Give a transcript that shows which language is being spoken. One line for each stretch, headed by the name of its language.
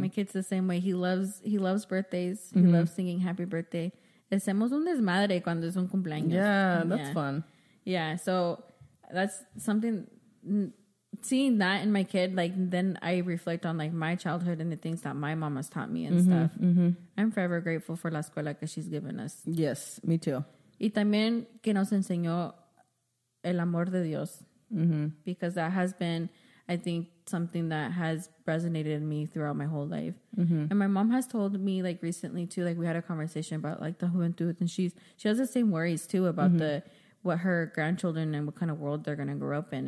English: My kid's the same way. He loves birthdays. Mm-hmm. He loves singing happy birthday.
Spanish: Hacemos un desmadre cuando es un cumpleaños.
English: Yeah, that's yeah. fun. Yeah, so that's something. Seeing that in my kid, like, then I reflect on, like, my childhood and the things that my mom has taught me and mm-hmm, stuff. Mm-hmm. I'm forever grateful for la escuela que she's given us. Yes, me too.
Spanish: Y también que nos enseñó el amor de Dios.
English: Mm-hmm. Because that has been, I think, something that has resonated in me throughout my whole life. Mm-hmm. And my mom has told me, like, recently too, like, we had a conversation about, like, the juventud, and she has the same worries too about mm-hmm. the what her grandchildren and what kind of world they're going to grow up in.